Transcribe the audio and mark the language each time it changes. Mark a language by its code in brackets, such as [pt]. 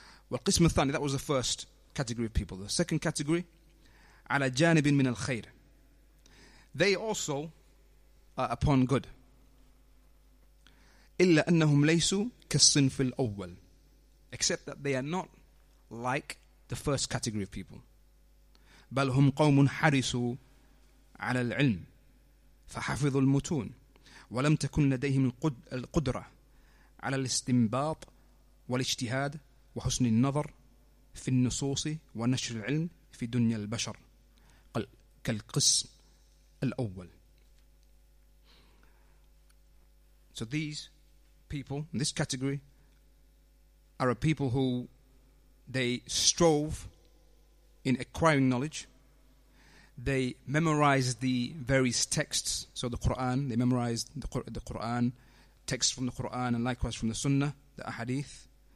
[en] Well, [ar] qism thani, [en] that was the first category of people. The second category, [ar] ala janibin min al-khayr, [en] they also are upon good. [ar] Illa annahum laysu kas-sinf al-awwal, [en] except that they are not like the first category of people. [ar] Bal hum qawmun harisu على العلم فحفظوا المتون ولم تكن لديهم القدرة على الاستنباط والاجتهاد وحسن النظر في النصوص ونشر العلم في دنيا البشر كالقسم الأول. [en] So these people, this category, are a people who they strove in acquiring knowledge. They memorized the various texts, so the Quran, they memorized the Quran, texts from the Quran and likewise from the Sunnah, the Ahadith.